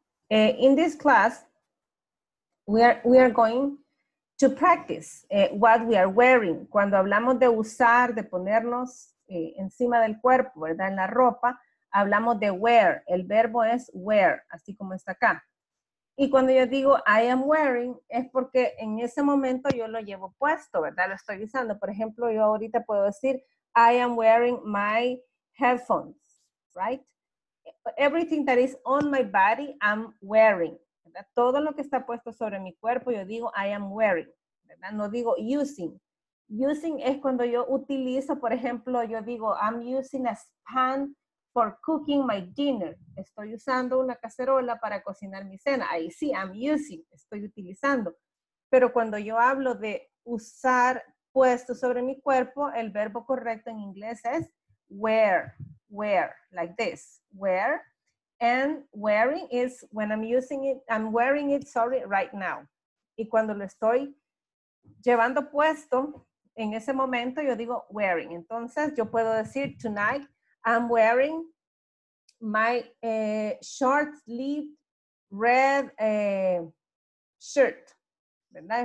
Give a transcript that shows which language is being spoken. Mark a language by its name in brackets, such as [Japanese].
[English] In this class, we are going to practice what we are wearing. [Spanish] Cuando hablamos de usar, de ponernos encima del cuerpo, ¿verdad? En la ropa, hablamos de wear. El verbo es wear, así como está acá. Y cuando yo digo [English] I am wearing, [Spanish] es porque en ese momento yo lo llevo puesto, ¿verdad? Lo estoy usando. Por ejemplo, yo ahorita puedo decir [English] I am wearing my headphones, right? [Spanish] Everything that is on my body, I'm wearing, ¿verdad? Todo lo que está puesto sobre mi cuerpo, yo digo [English] I am wearing, [Spanish] ¿verdad? No digo using. Using es cuando yo utilizo, por ejemplo, yo digo [English] I'm using a pan for cooking my dinner. [Spanish] Estoy usando una cacerola para cocinar mi cena. Ahí sí, [English] I'm using, [Spanish] estoy utilizando. Pero cuando yo hablo de usar puesto sobre mi cuerpo, el verbo correcto en inglés es wear. [English] Wear, like this, wear, and wearing is when I'm using it, I'm wearing it, sorry, right now. [Spanish] Y cuando lo estoy llevando puesto, en ese momento yo digo wearing. Entonces yo puedo decir, [English] tonight I'm wearing my short sleeve red shirt. ¿Verdad?